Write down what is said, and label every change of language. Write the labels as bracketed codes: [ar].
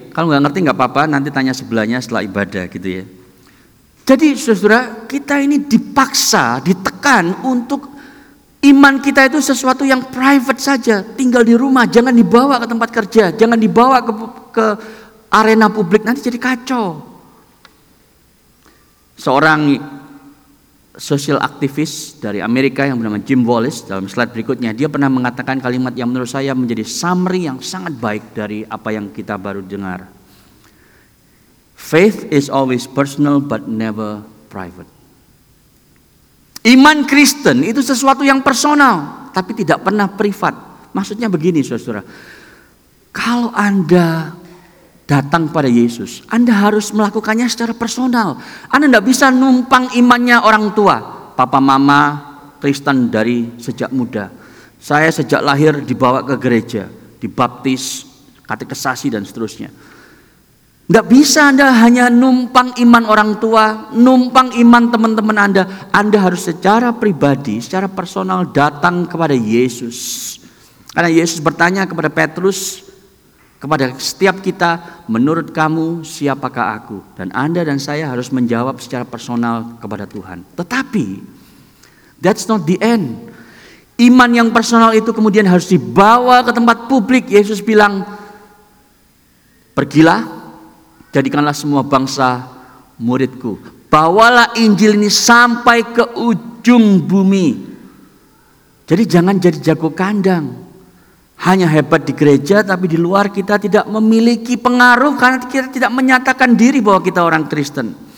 [id] Kalau nggak ngerti nggak apa-apa, nanti tanya sebelahnya setelah ibadah gitu, ya. Jadi saudara, kita ini dipaksa, ditekan untuk iman kita itu sesuatu yang private saja, tinggal di rumah, jangan dibawa ke tempat kerja, jangan dibawa ke arena publik, nanti jadi kacau. Seorang sosial aktivis dari Amerika yang bernama Jim Wallace, dalam slide berikutnya, dia pernah mengatakan kalimat yang menurut saya menjadi summary yang sangat baik dari apa yang kita baru dengar. [en] Faith is always personal but never private. [id] Iman Kristen itu sesuatu yang personal tapi tidak pernah privat. Maksudnya begini, saudara, kalau Anda datang pada Yesus, Anda harus melakukannya secara personal. Anda tidak bisa numpang imannya orang tua. Papa mama Kristen dari sejak muda, saya sejak lahir dibawa ke gereja, dibaptis, katekisasi dan seterusnya. Tidak bisa Anda hanya numpang iman orang tua, numpang iman teman-teman Anda. Anda harus secara pribadi, secara personal datang kepada Yesus. Karena Yesus bertanya kepada Petrus, kepada setiap kita, menurut kamu siapakah aku? Dan Anda dan saya harus menjawab secara personal kepada Tuhan. Tetapi [en] that's not the end. [id] Iman yang personal itu kemudian harus dibawa ke tempat publik. Yesus bilang, pergilah, jadikanlah semua bangsa muridku, bawalah Injil ini sampai ke ujung bumi. Jadi jangan jadi jago kandang hanya hebat di gereja, tapi di luar kita tidak memiliki pengaruh karena kita tidak menyatakan diri bahwa kita orang Kristen.